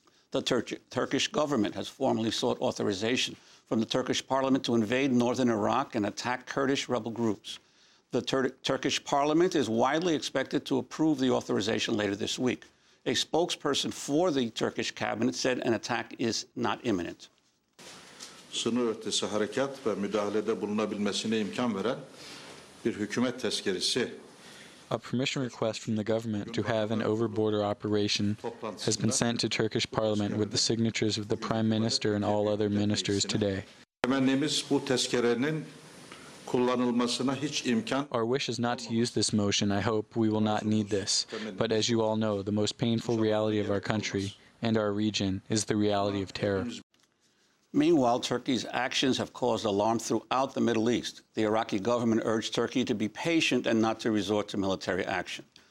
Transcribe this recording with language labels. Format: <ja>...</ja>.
<en>The Turkish government has formally sought authorization from the Turkish parliament to invade northern Iraq and attack Kurdish rebel groups. The Turkish parliament is widely expected to approve the authorization later this week. A spokesperson for the Turkish cabinet said an attack is not imminent.</en> <tr>Sınır ötesi harekat ve müdahalede bulunabilmesine imkan veren bir hükümet tezkeresi.</tr> <en>A permission request from the government to have an over-border operation has been sent to Turkish parliament with the signatures of the prime minister and all other ministers today.</en> <tr>Temennimiz bu tezkerenin kullanılmasına hiç imkan.</tr> <en>Our wish is not to use this motion. I hope we will not need this. But as you all know, the most painful reality of our country and our region is the reality of terror. Meanwhile, Turkey's actions have caused alarm throughout the Middle East. The Iraqi government urged Turkey to be patient and not to resort to military action.</en>